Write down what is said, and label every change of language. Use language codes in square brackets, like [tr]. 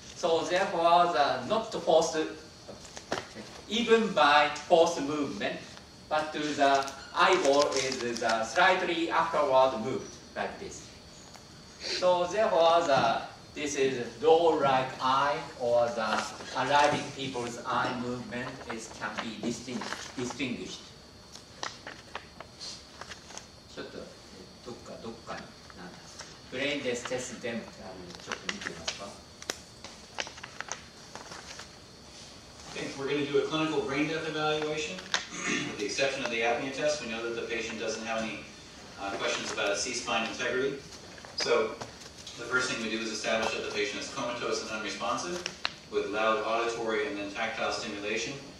[en] So therefore, the not forced, even by forced movement, but the eyeball is slightly afterward moved like this. So therefore, this is doll-like eye or the arriving people's eye movement is can be distinguished. [ja] ちょっとどっかに何だブレインデステスデムってあるのでちょっと見てみますか。 [en] I think we're going to do a clinical brain death evaluation with the exception of the apnea test. We know that the patient doesn't have any questions about a C-spine integrity. So the first thing we do is establish that the patient is comatose and unresponsive with loud auditory and then tactile stimulation.